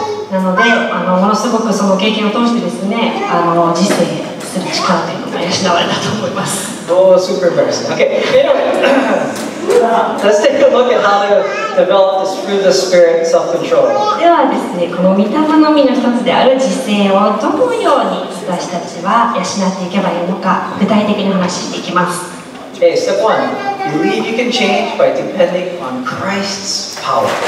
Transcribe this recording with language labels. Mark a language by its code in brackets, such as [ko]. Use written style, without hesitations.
[ja] なので、ものすごくその経験を通してですね、自制する力というのが養われたと思います。 [en] Oh, super embarrassing. Okay, anyway, let's take a look at how to develop this through the spirit self-control. [ja] ではですね、この御霊の実の一つである自制をどのように私たちは養っていけばいいのか、具体的に話していきます。 [en] Okay, step one. Believe you can change by depending on Christ's power.